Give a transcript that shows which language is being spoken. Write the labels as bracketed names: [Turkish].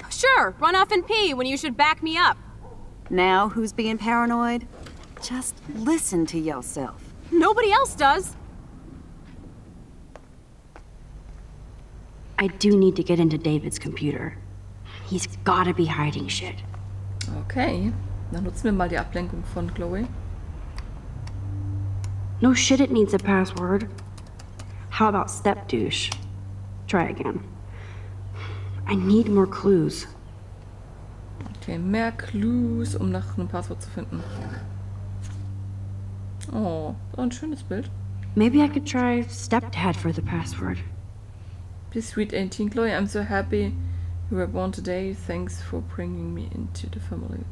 [English] Sure, run off and pee when you should back me up. Now who's being paranoid? Just listen to yourself. Nobody else does. I do need to get into David's computer. He's gotta be hiding shit. [German] Okay, dann nutzen wir mal die Ablenkung von Chloe. [English] No shit, it needs a password. How about step douche? Try again. I need more clues. [German] Okay, mehr Clues, um nach einem Passwort zu finden. Oh, so ein schönes Bild. [English] Maybe I could try stepdad for the password. Be sweet 18, Chloe. I'm so happy you were born today. Thanks for bringing me into the family.